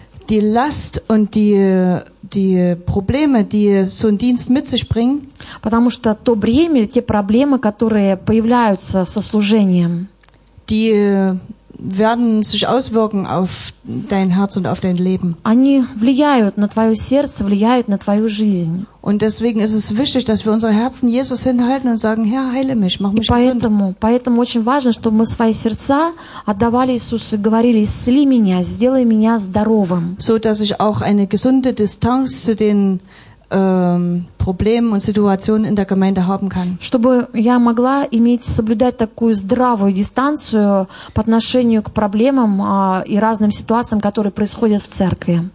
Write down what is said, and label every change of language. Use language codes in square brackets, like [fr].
[de] die Last und die Probleme, die so ein Dienst mit sich bringen, [ru] потому что то бремя или те проблемы, которые появляются со служением, [de] die werden sich auswirken auf dein Herz und auf dein Leben. [ru] Они влияют на твое сердце, влияют на твою жизнь. [de] Und deswegen ist es wichtig, dass wir unsere Herzen Jesus hinhalten und sagen: Herr, heile mich, mach mich gesund. [ru] Поэтому очень важно, чтобы мы свои сердца отдавали Иисусу и говорили: исцели меня, сделай меня здоровым. [de] So dass ich auch eine gesunde Distanz zu den Problemen und Situationen in der Gemeinde haben kann. [ru] Чтобы я могла иметь соблюдать такую здравую дистанцию по отношению к проблемам и разным ситуациям, которые происходят в церкви.